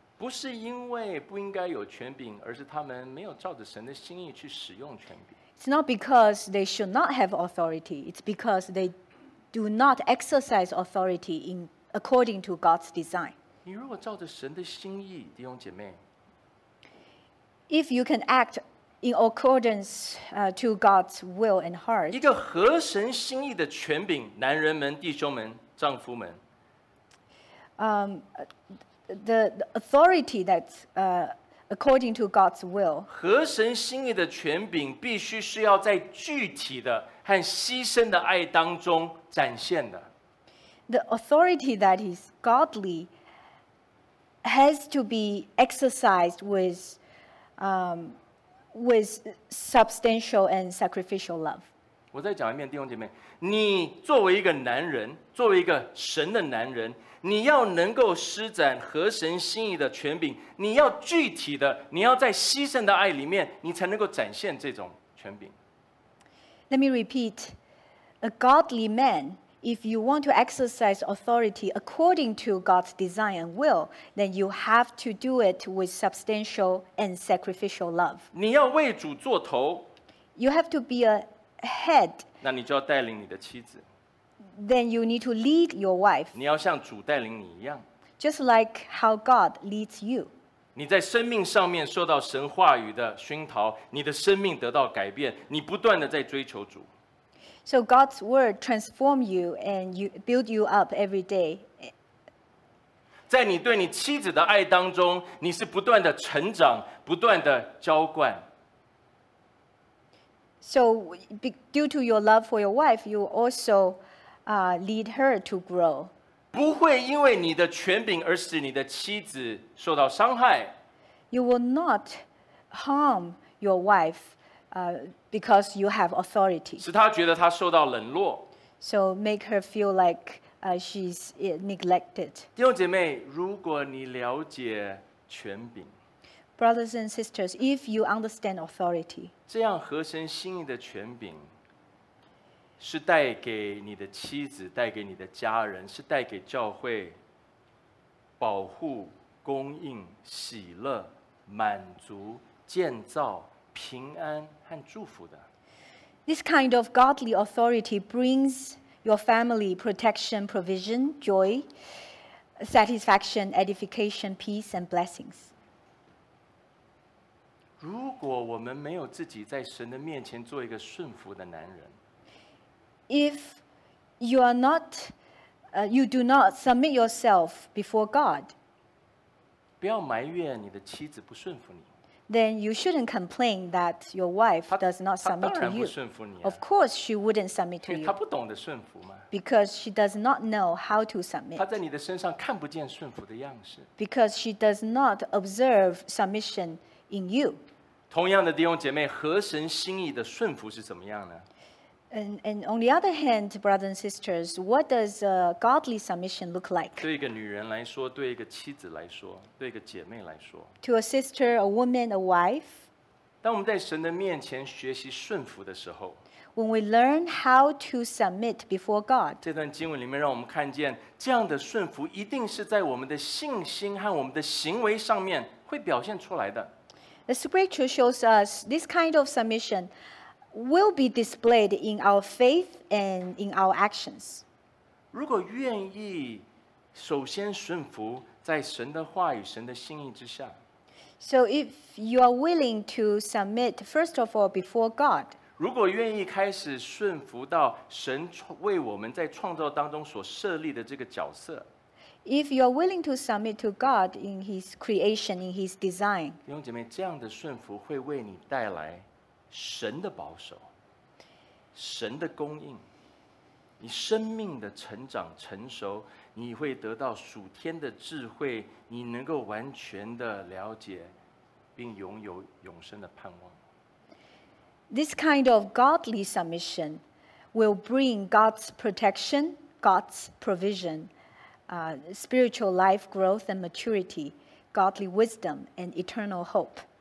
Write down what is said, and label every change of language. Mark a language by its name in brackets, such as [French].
[Chinese] 不是因为不应该有权柄，而是他们没有照着神的心意去使用权柄。 [English] It's not because they should not have authority. It's because they do not exercise authority in according to God's design. [Chinese] 你如果照着神的心意，弟兄姐妹。 [English] If you can act in accordance to God's will and heart. [Chinese] 一个合神心意的权柄，男人们、弟兄们、丈夫们。 [English] The authority that's according to God's will. [Chinese] 合神心意的权柄必须是要在具体的和牺牲的爱当中展现的。 [English] The authority that is godly has to be exercised with substantial and sacrificial love. [Chinese] 我再讲一遍，弟兄姐妹，你作为一个男人，作为一个神的男人，你要能够施展合神心意的权柄，你要具体的，你要在牺牲的爱里面，你才能够展现这种权柄。 [English] Let me repeat. A godly man, if you want to exercise authority according to God's design and will, then you have to do it with substantial and sacrificial love. [Chinese] 你要为主做头。 [English] You have to be a head. [Chinese] 那你就要带领你的妻子。 [English] Then you need to lead your wife. [Chinese] 你要像主带领你一样。 [English] Just like how God leads you. [Chinese] 你在生命上面受到神话语的熏陶，你的生命得到改变，你不断的在追求主。 [English] So God's word transforms you and you build you up every day. [Chinese] 在你对你妻子的爱当中，你是不断的成长，不断的浇灌。 [English] So due to your love for your wife, you also lead her to grow. [Chinese] 不会因为你的权柄而使你的妻子受到伤害。 [English] You will not harm your wife because you have authority. [Chinese] 使她觉得她受到冷落。 [English] So make her feel like she's neglected. [Chinese] 弟兄姐妹，如果你了解权柄。 [English] Brothers and sisters, if you understand authority, [Chinese] 这样合神心意的权柄是带给你的妻子，带给你的家人，是带给教会保护、供应、喜乐、满足、建造、平安和祝福的。 [English] This kind of godly authority brings your family protection, provision, joy, satisfaction, edification, peace, and blessings. [Chinese] 如果我们没有自己在神的面前做一个顺服的男人。 [English] If you are not, you do not submit yourself before God. [Chinese] 不要埋怨你的妻子不顺服你。 [English] Then you shouldn't complain that your wife does not submit to you. [Chinese] 她当然不顺服你啊。 [English] Of course, she wouldn't submit to you. [Chinese] 因为她不懂得顺服嘛。 [English] Because she does not know how to submit. [Chinese] 她在你的身上看不见顺服的样式。 [English] Because she does not observe submission in you. [Chinese] 同样的弟兄姐妹，合神心意的顺服是怎么样呢？ [English] And on the other hand, brothers and sisters, what does a godly submission look like? [Chinese] 对一个女人来说，对一个妻子来说，对一个姐妹来说。 [English] To a sister, a woman, a wife. [Chinese] 当我们在神的面前学习顺服的时候。 [English] When we learn how to submit before God. [Chinese] 这段经文里面让我们看见，这样的顺服一定是在我们的信心和我们的行为上面会表现出来的。 [English] The scripture shows us this kind of submission will be displayed in our faith and in our actions. [Chinese] 如果愿意首先顺服在神的话语、神的心意之下。 [English] So if you are willing to submit first of all before God. [Chinese] 如果愿意开始顺服到神为我们在创造当中所设立的这个角色。 [English] If you are willing to submit to God in His creation, in His design. [Chinese] 弟兄姐妹，这样的顺服会为你带来神的保守，神的供应，你生命的成长成熟，你会得到属天的智慧，你能够完全的了解，并拥有永生的盼望。 [English] This kind of godly submission will bring God's protection, God's provision, spiritual life growth and maturity, godly wisdom and eternal hope.